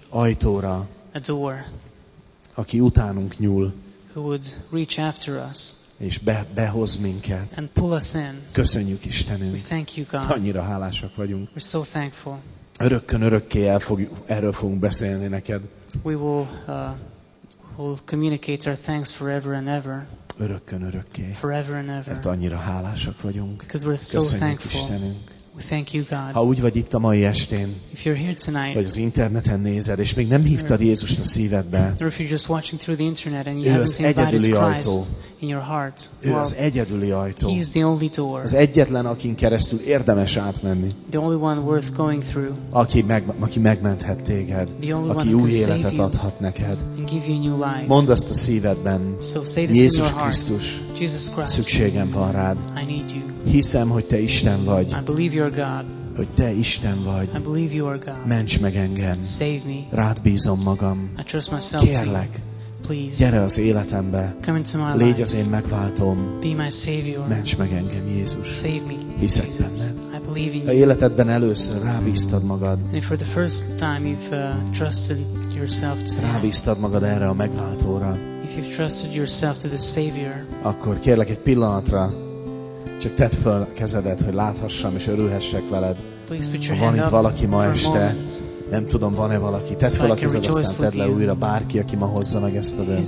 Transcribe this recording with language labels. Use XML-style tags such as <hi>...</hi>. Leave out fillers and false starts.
<hu>ajtóra,</hu> <en>a door,</en> <hu>aki utánunk nyúl,</hu> <en>who would reach after us,</en> <hu>és behoz minket.</hu> <en>And pull us in.</en> <hu>Köszönjük Istenünk.</hu> <en>We thank you, God.</en> <hu>Annyira hálásak vagyunk.</hu> <en>We're so thankful.</en> <hu>Örökkön örökké erről fogunk beszélni neked.</hu> <en>We will we'll communicate our thanks forever and ever.</en> <hu>Örökkön örökké.</hu> <en>Forever and ever.</en> <hu>Mert annyira hálásak vagyunk.</hu> <en>Because we're</en> <hu>köszönjük</hu> <en>so thankful.</en> <hu>Istenünk.</hu> <en>We thank you, God.</en> <hu>Ha úgy vagy itt a mai estén,</hu> <en>if you're here tonight,</en> <hu>vagy az interneten nézed, és még nem hívtad Jézust a szívedbe,</hu> <en>or if you're just watching through the internet and you haven't invited Christ in your heart,</en> <hu>ő az egyedüli ajtó.</hu> <en>He's the only door.</en> <hu>Az egyetlen, akin keresztül érdemes átmenni.</hu> <en>The only one worth going through.</en> <hu>Aki megmenthet téged.</hu> <en>The only</en> <hu>aki</hu> <en>one</en> <hu>új életet</hu> <en>save you</en> <hu>adhat neked.</hu> <en>And give you new life.</en> <hu>Mondd azt a szívedben.</hu> <en>So say this</en> <hu>Jézus</hu> <en>in your heart.</en> <hu>Krisztus,</hu> <en>Jesus Christ,</en> <hu>szükségem van rád.</hu> <en>I need you.</en> <hu>Hiszem, hogy te Isten vagy.</hu> <en>I believe you're God.</en> <hu>hogy te Isten vagy.</hu> <en>I believe you are God.</en> <hu>Ments meg engem.</hu> <en>Save me.</en> <hu>Rád bízom magam.</hu> <en>I trust myself.</en> <hu>Kérlek.</hu> <en>Please.</en> <hu>Gyere az életembe.</hu> <en>Come into my life.</en> <hu>Légy az én megváltóm.</hu> <en>Be my savior.</en> <hu>Ments meg engem, Jézus.</hu> <en>Save me.</en> <hu>Hiszek</hu> <en>Jesus.</en> <hu>Benned.</hu> <en>I believe in you.</en> <hu>Ha életedben először rábíztad magad.</hu> <en>And for the first time you've trusted yourself to.</en> <hu>Rábíztad magad erre a megváltóra.</hu> <en>If you've trusted yourself to the savior.</en> <hu>Akkor kérlek egy pillanatra. Csak tedd fel a kezedet, hogy láthassam és örülhessek veled. Ha van itt valaki ma este, nem tudom, van-e valaki. Tedd fel a kezed, aztán tedd le újra bárki, aki ma hozza meg ezt a döntést.</hu>